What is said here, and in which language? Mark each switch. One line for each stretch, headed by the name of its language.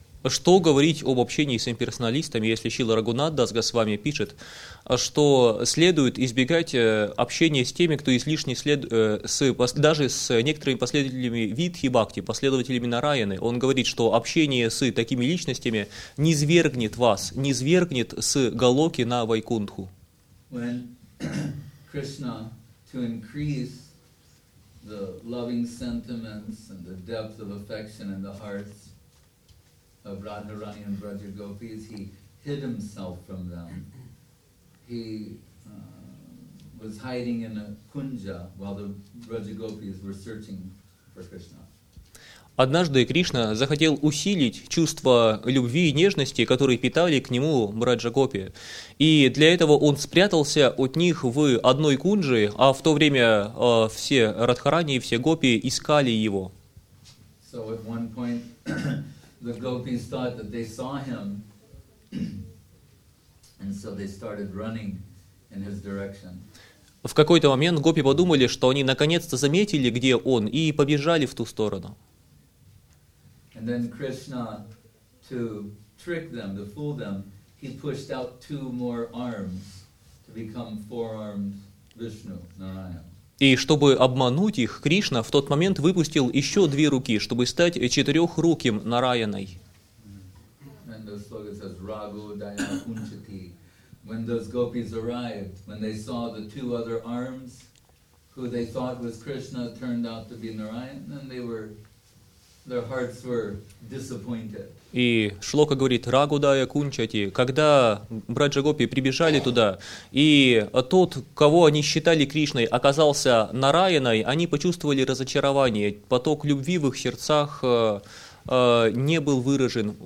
Russian: Что говорить об общении с имперсоналистами, если Шрила Рагунатх Дас Госвами пишет, что следует избегать общения с теми, кто излишне даже с некоторыми последователями Видхи Бхакти, последователями Нараяны. Он говорит, что общение с такими личностями низвергнет вас, низвергнет с Галоки на Вайкунтху.
English: When Krishna, to increase the loving sentiments and the depth of affection in the hearts of Radharani and Braja Gopis, he hid himself from them. He was hiding in a kunja while the Braja Gopis were searching for Krishna.
Russian: Однажды Кришна захотел усилить чувство любви и нежности, которые питали к нему Мраджа-гопи. И для этого он спрятался от них в одной кунже, а в то время все Радхарани и все гопи искали его.
English: So at one point, the gopis thought that they saw him, and so they started running in his direction.
Russian: В какой-то момент гопи подумали, что они наконец-то заметили, где он, и побежали в ту сторону.
English: And then Krishna, to trick them, to fool them, he pushed out two more arms to become four-armed Vishnu, Narayana.
Russian: И чтобы обмануть их, Кришна в тот момент выпустил еще две руки, чтобы стать четырехруким Нараяной.
English: And the slogan says, Rago Daya Kunchati. When those gopis arrived, when they saw the two other arms, who they thought was Krishna, turned out to be Narayana, then they were... Their hearts were disappointed.
Russian: И шлока говорит «Рагудая кунчати», когда Браджа-гопи прибежали туда, и тот, кого они считали Кришной, оказался Нараяной, они почувствовали разочарование. Поток любви в их сердцах не был выражен.